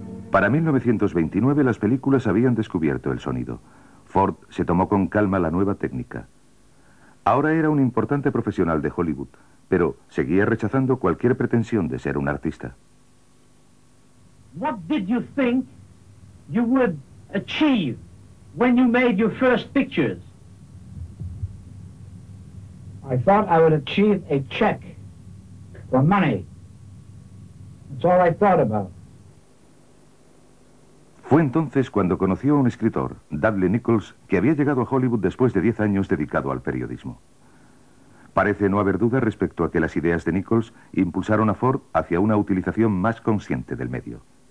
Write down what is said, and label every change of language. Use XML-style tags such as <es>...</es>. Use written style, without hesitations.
<es>Para 1929 las películas habían descubierto el sonido. Ford se tomó con calma la nueva técnica. Ahora era un importante profesional de Hollywood, pero seguía rechazando cualquier pretensión de ser un artista.</es> <en>What did you think you would achieve when you made your first pictures? I thought I would achieve a check for money. That's all I thought about.</en> <es>Fue entonces cuando conoció a un escritor, Dudley Nichols, que había llegado a Hollywood después de 10 años dedicado al periodismo. Parece no haber duda respecto a que las ideas de Nichols impulsaron a Ford hacia una utilización más consciente del medio.</es>